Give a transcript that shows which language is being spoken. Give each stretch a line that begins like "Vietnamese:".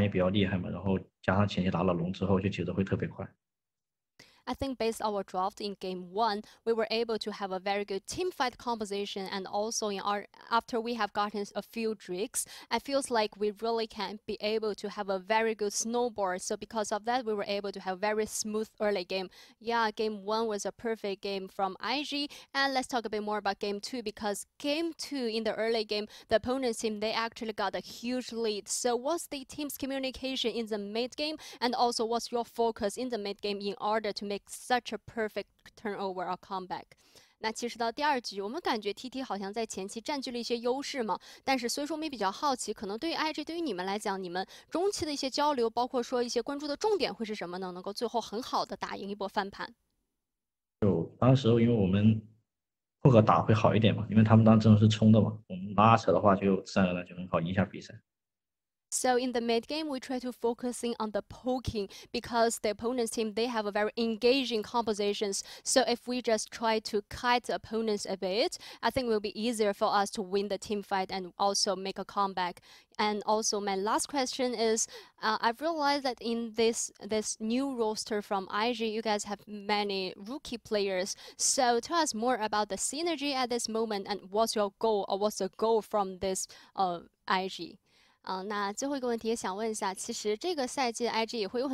Chinese: 那首先恭喜勋也取得了一个开门红，然后呢，说到你们第一局，勋也拿到了MVP嘛，而且感觉到你在控龙啊，包括说滚雪球都做得非常好，23分钟就拿到了龙魂，所以想问一下，第一局可能你们前期的布置是怎么样的呢？就我们前期的话，因为我们当时阵容就打团也比较厉害嘛，然后加上前期拿了龙之后，就节奏会特别快。
English: I think based on our draft in game one, we were able to have a very good team fight composition, and also in our after we have gotten a few Drakes, it feels like we really can be able to have a very good snowboard. So because of that, we were able to have very smooth early game. Yeah, game one was a perfect game from IG, and let's talk a bit more about game two, because game two in the early game, the opponent's team, they actually got a huge lead. So what's the team's communication in the mid game, and also what's your focus in the mid game in order to make such a perfect turnover or comeback.
Chinese: 那其实到第二局，我们感觉 TT 好像在前期占据了一些优势嘛。但是虽说我们也比较好奇，可能对于 IG 对于你们来讲，你们中期的一些交流，包括说一些关注的重点会是什么呢？能够最后很好的打赢一波翻盘。就当时因为我们破格打会好一点嘛，因为他们当时是冲的嘛，我们拉扯的话就自然而然就很好赢下比赛。
English: So in the mid game, we try to focusing on the poking because the opponent's team, they have a very engaging compositions. So if we just try to kite the opponents a bit, I think it will be easier for us to win the team fight and also make a comeback. And also my last question is, I've realized that in this new roster from IG, you guys have many rookie players. So tell us more about the synergy at this moment and what's your goal or what's the goal from this IG?
Chinese: 那最后一个问题也想问一下，其实这个赛季 IG